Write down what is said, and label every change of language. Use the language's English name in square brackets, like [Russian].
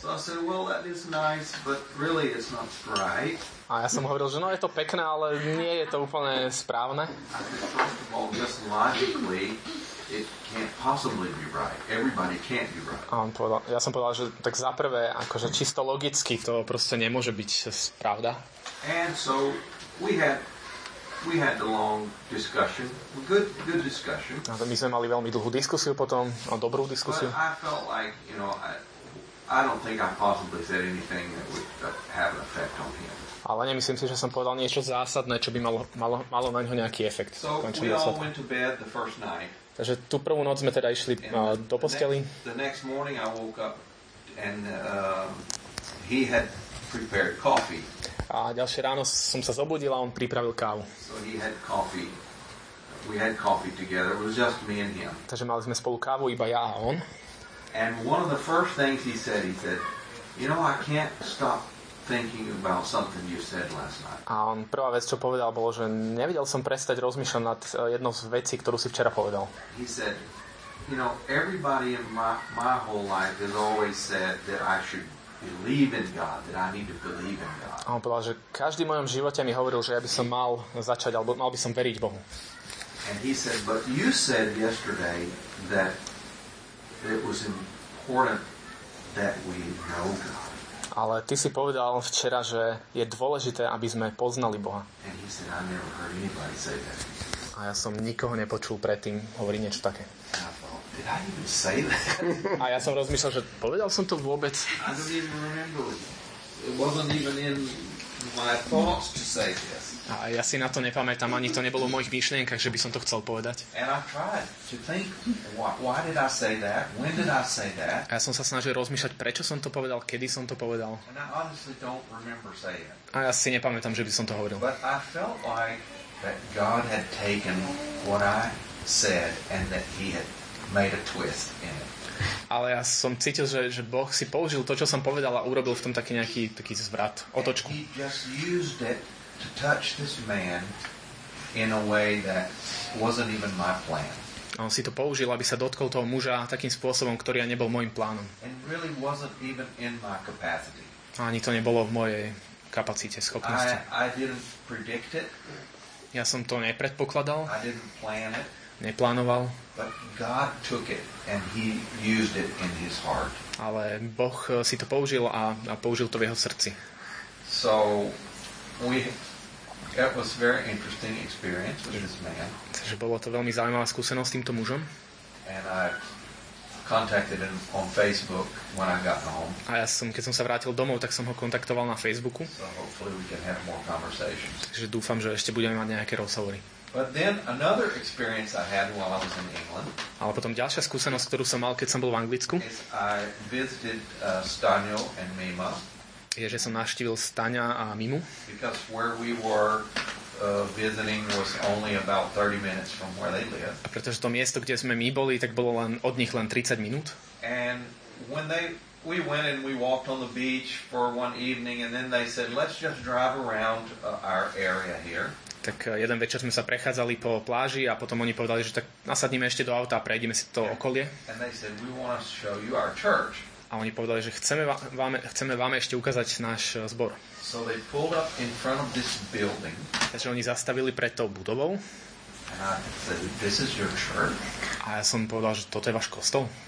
[English] So I said, "Well, that is nice, but really it's not right." [Slovak] A ja som hovoril, že no, je to pekné, ale nie je to úplne správne. [English] First of all, just logically, it can't possibly be right. Everybody can't be right. [Slovak] A on povedal, ja som povedal, že tak za prvé, akože čisto logicky, to proste nemôže byť pravda. [English] And so we had a long discussion. Good discussion. [Slovak] A my sme mali veľmi dlhú diskusiu potom, dobrú diskusiu. [English] But I felt like, you know, I don't think I possibly said anything that would have an effect on him. [Slovak] Ale nemyslím si, že som povedal niečo zásadné, čo by malo na ňo nejaký efekt. [English] So we all went to bed the first night. [Slovak] Takže tú prvú noc sme teda išli do posteli. [English] The next morning I woke up and he had prepared coffee. [Slovak] A ďalšie ráno som sa zobudil a on pripravil kávu. [English] So he had coffee. We had coffee together. It was just me and him. [Slovak] Takže mali sme spolu kávu, iba ja a on. [English] And one of the first things he said, "You know, I can't stop thinking about something you said last night." [Slovak] A on prvá vec, čo povedal, bolo, že nevedel som prestať rozmýšľať nad jednou z vecí, ktorú si včera povedal. [English] He said, "You know, everybody in my whole life has always said that I should believe in God, that I need to believe in God." [Slovak] A on povedal, že každý v mojom živote mi hovoril, že ja by som mal začať, alebo mal by som veriť Bohu. [English] And he said, "But you said yesterday that it was important that we know God." [Slovak] Ale ty si povedal včera, že je dôležité, aby sme poznali Boha. [English] And he said, "I never heard anybody say that." [Slovak] A ja som nikoho nepočul predtým hovoriť niečo také. [English] Did I even say that? [Slovak] A ja som rozmýšľal, že povedal som to vôbec. [English] I don't even remember. It wasn't even in my thoughts to say this. [Slovak] A ja si na to nepamätám, ani to nebolo v mojich myšlienkach, že by som to chcel povedať. [English] And I tried to think, why did I say that? When did I say that? [Slovak] A ja som sa snažil rozmýšľať, prečo som to povedal, kedy som to povedal. [English] And I honestly don't remember saying it. [Slovak] A ja si nepamätám, že by som to hovoril. [English] But I felt like that God had taken what I said and that he had made a twist in it. [Slovak] Ale ja som cítil, že Boh si použil to, čo som povedal a urobil v tom taký nejaký taký zvrat, otočku. [English] He just used it to touch this man in a way that wasn't even my plan. [Slovak] A on si to použil, aby sa dotkol toho muža takým spôsobom, ktorý ani nebol môjim plánom. [English] And really wasn't even in my capacity. [Slovak] Ani to nebolo v mojej kapacite, schopnosti. [English] I didn't predict it. [Slovak] Ja som to nepredpokladal. [English] I didn't plan it. [Slovak] Neplánoval. [English] But God took it and he used it in his heart. [Slovak] Ale Boh si to použil a použil to v jeho srdci. [English] So it was very interesting experience with this man. [Slovak] Takže bolo to veľmi zaujímavá skúsenosť s týmto mužom. [English] And I contacted him on Facebook when I got home. [Slovak] A ja som, keď som sa vrátil domov, tak som ho kontaktoval na Facebooku. [English] So hopefully we can have more conversations. [Slovak] Takže dúfam, že ešte budeme mať nejaké rozhovory. [English] But then another experience I had while I was in England. [Slovak] Ale potom ďalšia skúsenosť, ktorú som mal, keď som bol v Anglicku. [English] I visited Stanio and Mima. [Slovak] Je, že som navštívil Stania a Mimu. [English] Because where we were visiting was only about 30 minutes from where they live. [Slovak] A pretože to miesto, kde sme my boli, tak bolo len od nich len 30 minút. [English] And when we went and we walked on the beach for one evening and then they said, "Let's just drive around our area here." [Slovak] Tak jeden večer sme sa prechádzali po pláži a potom oni povedali, že tak nasadníme ešte do auta a prejdeme si to okolie. [English] And they said, "We want to show you our church." [Slovak] A oni povedali, že chceme vám ešte ukázať náš zbor. [English] So they pulled up in front of this building. [Slovak] Takže oni zastavili pred tou budovou. [English] And I said, "This is your church." [Slovak] A ja som povedal, že toto je váš kostol.